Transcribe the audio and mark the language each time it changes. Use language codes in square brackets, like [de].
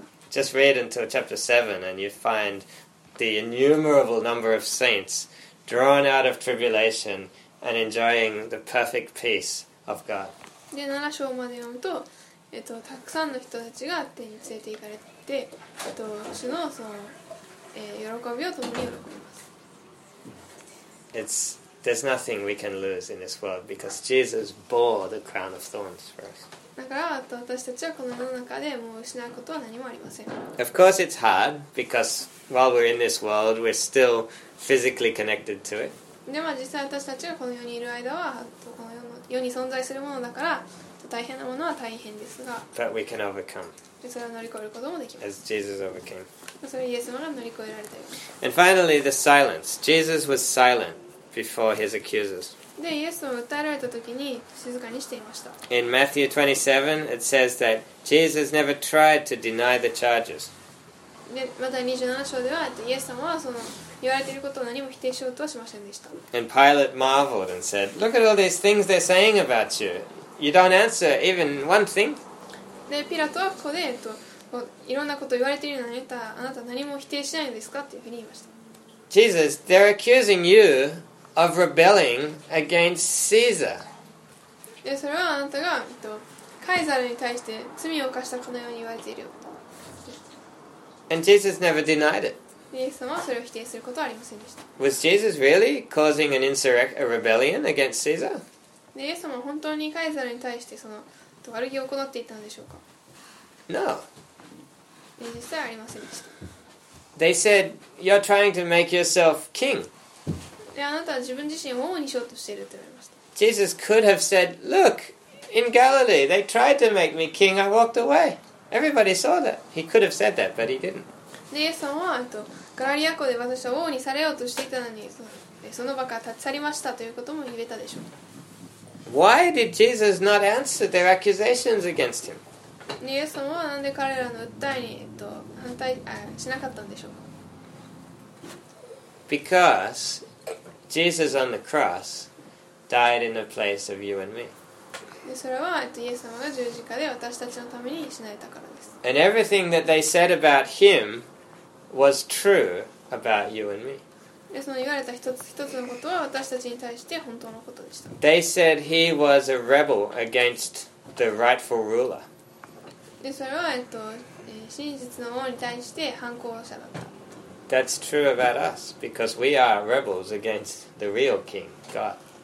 [en] Just read until chapter 7 and you find the innumerable number of saints drawn out of tribulation and enjoying the perfect peace of God. [ja] で、7章まで読むと、たくさんの人たちが天に連れて行かれて、主のその、喜びを共に喜びます。 [en] There's nothing we can lose in this world because Jesus bore the crown of thorns for us. [ja] だから、私たちはこの世の中でもう失うことは何もありません。 [en] Of course it's hard because while we're in this world, we're still physically connected to it. [ja] でも実際私たちがこの世にいる間は、この世に存在するものだから、大変なものは大変ですが。 [en] But we can overcome. [ja] それを乗り越えることもできます。 [en] As Jesus overcame. [ja] それをイエス様が乗り越えられたよ。 [en] And finally, the silence. Jesus was silent. Before his accusers. [ja] で、イエスを訴えられた時に静かにしていました。 [en] In Matthew 27, it says that Jesus never tried to deny the charges. [ja] で、また27章では、イエス様はその言われていることを何も否定しようとはしませんでした。 [en] And Pilate marveled and said, Look at all these things they're saying about you. You don't answer even one thing. [ja] で、ピラトはここで、いろんなことを言われているのに、あなた何も否定しないんですかというふうに言いました。 [en] Jesus, they're accusing you. Of rebelling against Caesar. [ja] で、それはあなたが、カイザルに対して罪を犯したかのように言われている。 [en] And Jesus never denied it. [ja] イエス様はそれを否定することはありませんでした。 [en] Was Jesus really causing an insurrection, a rebellion against Caesar? [ja] イエス様は本当にカイザルに対してその悪気を行っていたのでしょうか? [en] No. [ja] 実際ありませんでした。 [en] They said, you're trying to make yourself king. [ja] で、あなたは自分自身を王にしようとしていると言われました。 [en] Jesus could have said, Look, in Galilee, they tried to make me king, I walked away. Everybody saw that. He could have said that, but he didn't. [ja] で、イエス様はガラリア湖で私は王にされようとしていたのに、その場から立ち去りましたということも言えたでしょう。 [en] Why did Jesus not answer their accusations against him? [ja] イエス様はなんで彼らの訴えに反対しなかったんでしょう。 [en] Because Jesus on the cross died in the place of you and me. [ja] それはイエス様が十字架で私たちのために死なれたからです。 [en] And everything that they said about him was true about you and me. [ja] でその言われた一つ一つのことは私たちに対して本当のことでした。 [en] They said he was a rebel against the rightful ruler. [ja] でそれは真実の王に対して反抗者だった。 [en] That's true about us because we are rebels against the real King, God.